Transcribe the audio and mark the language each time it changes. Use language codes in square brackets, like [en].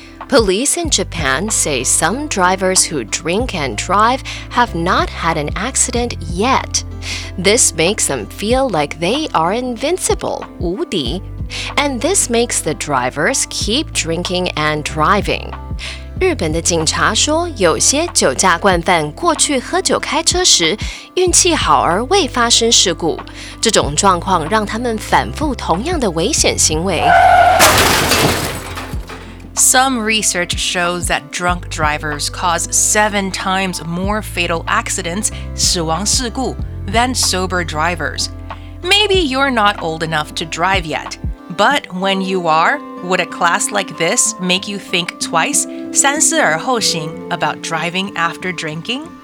[en] Police in Japan say some drivers who drink and drive have not had an accident yet. This makes them feel like they are invincible, 無敵. And this makes the drivers keep drinking and driving. [zh] 日本的警察说，有些酒驾惯犯过去喝酒开车时，运气好而未发生事故，这种状况让他们反复同样的危险行为。 [en] Some research shows that drunk drivers cause 7 times more fatal accidents, 死亡事故, than sober drivers. Maybe you're not old enough to drive yet, but when you are,Would a class like this make you think twice, 三思而后行, about driving after drinking?